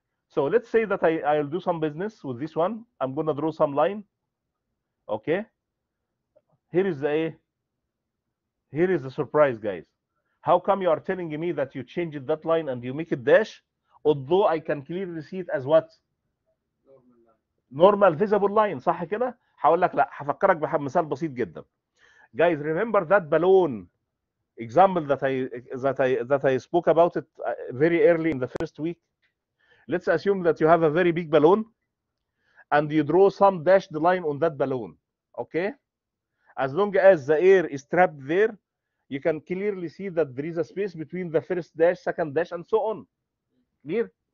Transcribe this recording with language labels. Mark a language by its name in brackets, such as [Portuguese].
[English] So let's say that I'll do some business with this one. I'm gonna draw some line. Okay. Here is the A. Here is the surprise, guys. How come you are telling me that you changed that line and you make it dash? Although I can clearly see it as what? Normal visible line. [Arabic] صح كده? هقول لك لا هفكرك بمثال بسيط جدا. [English] Guys, remember that balloon example that I spoke about it very early in the first week. Let's assume that you have a very big balloon and you draw some dashed line on that balloon, okay? As long as the air is trapped there, you can clearly see that there is a space between the first dash, second dash, and so on. Clear?